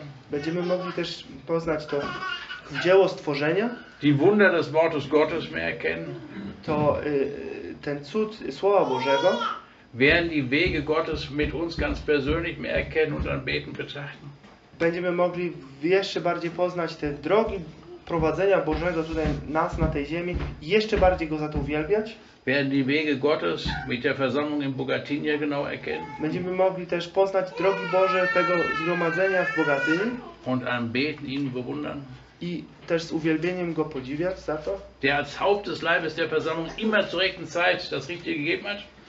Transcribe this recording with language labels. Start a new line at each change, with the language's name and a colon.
Polish: Będziemy mogli też poznać to dzieło stworzenia.
German: Die Wunder des Wortes Gottes mehr erkennen.
Polish: To ten cud Słowa Bożego.
German: Werden die Wege Gottes mit uns ganz persönlich mehr erkennen und anbeten betrachten.
Polish: Będziemy mogli jeszcze bardziej poznać te drogi prowadzenia Bożego tutaj nas na tej ziemi i jeszcze bardziej go za to uwielbiać.
German: Werden die Wege Gottes mit der Versammlung in Bogatynia genau erkennen.
Polish: Będziemy mogli też poznać drogi Boże tego zgromadzenia w Bogatyni.
German: Und anbeten ihn bewundern.
Polish: I też z uwielbieniem go podziwiać za to.
German: Der als Haupt des Leibes der Versammlung immer zur rechten Zeit das Richtige gegeben hat.